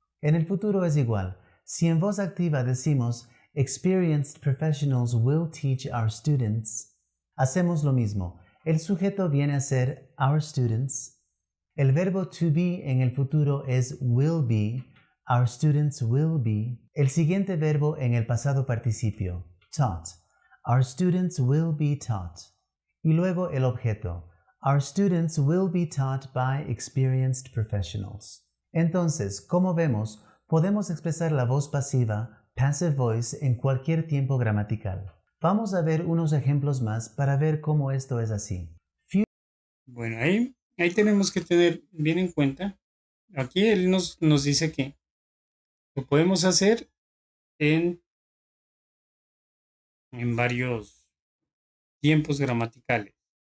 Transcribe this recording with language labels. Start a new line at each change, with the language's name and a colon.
Spanish: En el futuro es igual. Si en voz activa decimos,
English: experienced professionals will teach our students,
Spanish: hacemos lo mismo. El sujeto viene a ser
English: our students.
Spanish: El verbo to be en el futuro es
English: will be. Our students will be.
Spanish: El siguiente verbo en el pasado participio, taught.
English: Our students will be taught.
Spanish: Y luego el objeto.
English: Our students will be taught by experienced professionals.
Spanish: Entonces, como vemos, podemos expresar la voz pasiva, passive voice, en cualquier tiempo gramatical. Vamos a ver unos ejemplos más para ver cómo esto es así. Bueno, ahí tenemos que tener bien en cuenta. Aquí él nos dice que lo podemos hacer en varios tiempos gramaticales.